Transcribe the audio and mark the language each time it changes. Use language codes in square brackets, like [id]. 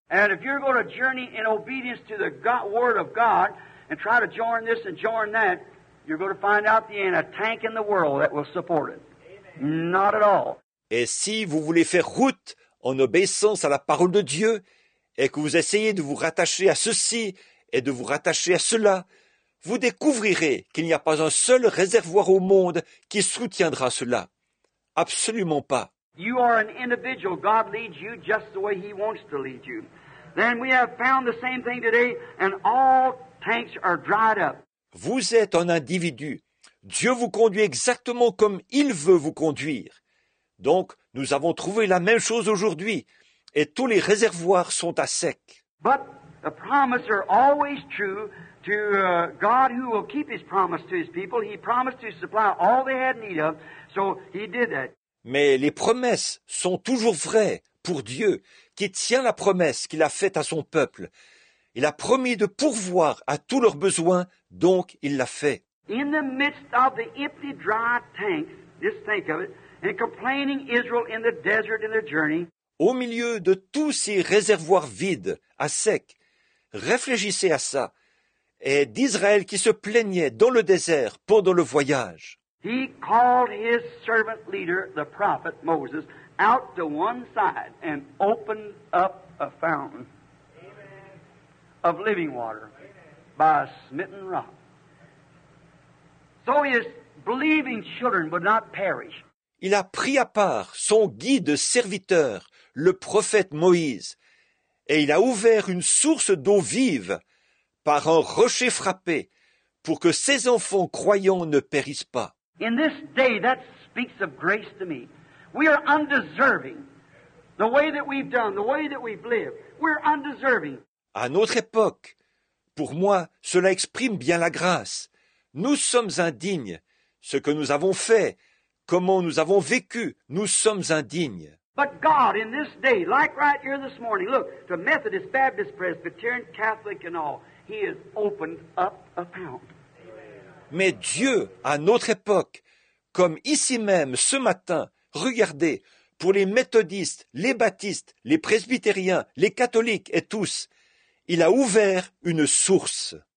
[en] And if you're going to journey in obedience to the God, word of God, and try to join this and join that, you're going to find out the end, a tank in the world that will support it. Amen. Not at all. [fr] Et si vous voulez faire route en obéissance à la parole de Dieu et que vous essayez de vous rattacher à ceci et de vous rattacher à cela, vous découvrirez qu'il n'y a pas un seul réservoir au monde qui soutiendra cela. Absolument pas. [en] You are an individual. God leads you just the way He wants to lead you. Then we have found the same thing today, and all tanks are dried up. [fr] Vous êtes un individu. Dieu vous conduit exactement comme il veut vous conduire. Donc, nous avons trouvé la même chose aujourd'hui, et tous les réservoirs sont à sec. [en] But the promises are always true to God, who will keep His promise to His people. He promised to supply all they had need of, so He did that. [fr] Mais les promesses sont toujours vraies pour Dieu, qui tient la promesse qu'il a faite à son peuple. Il a promis de pourvoir à tous leurs besoins, donc il l'a fait. [en] In the midst of the empty, dry tanks, just think of it, and complaining Israel in the desert in their journey. [fr] Au milieu de tous ces réservoirs vides, à sec, réfléchissez à ça, et d'Israël qui se plaignait dans le désert pendant le voyage. [en] He called his servant leader, the prophet Moses, out to one side and opened up a fountain of living water by a smitten rock, so his believing children would not perish. [fr] Il a pris à part son guide serviteur, le prophète Moïse, et il a ouvert une source d'eau vive par un rocher frappé pour que ses enfants croyants ne périssent pas. [en] In this day, that speaks of grace to me. We are undeserving. The way that we've done, the way that we've lived, we're undeserving. [fr] À notre époque, pour moi, cela exprime bien la grâce. Nous sommes indignes. Ce que nous avons fait, comment nous avons vécu, nous sommes indignes. [en] But God, in this day, like right here this morning, look, the Methodist, Baptist, Presbyterian, Catholic and all, He has opened up a fountain. [fr] Mais Dieu, à notre époque, comme ici même, ce matin, regardez, pour les méthodistes, les baptistes, les presbytériens, les catholiques et tous, il a ouvert une source.